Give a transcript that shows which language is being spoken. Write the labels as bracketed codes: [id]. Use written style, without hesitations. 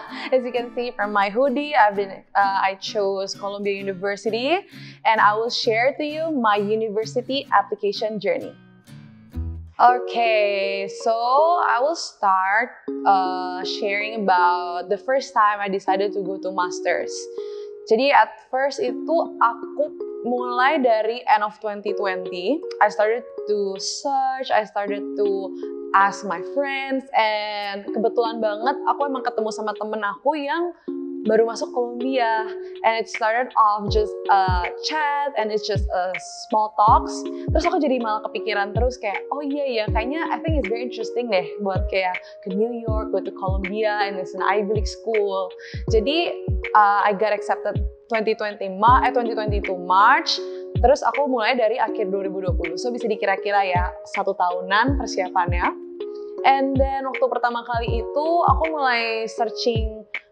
[en] As you can see from my hoodie, I chose Columbia University and I will share to you my university application journey. Okay, so I will start sharing about the first time I decided to go to master's. [id] Jadi at first itu aku mulai dari end of 2020. [en] I started to search, I started to ask my friends, and kebetulan banget aku emang ketemu sama temen aku yang baru masuk Columbia, and it started off just a chat and it's just a small talks. [id] Terus aku jadi malah kepikiran terus kayak, oh iya ya, kayaknya I think it's very interesting deh buat kayak ke New York, go to Columbia, and it's an Ivy League school. [en] Jadi I got accepted 2022 March. [id] Terus aku mulai dari akhir 2020, so bisa dikira-kira ya satu tahunan persiapannya. And then waktu pertama kali itu aku mulai searching.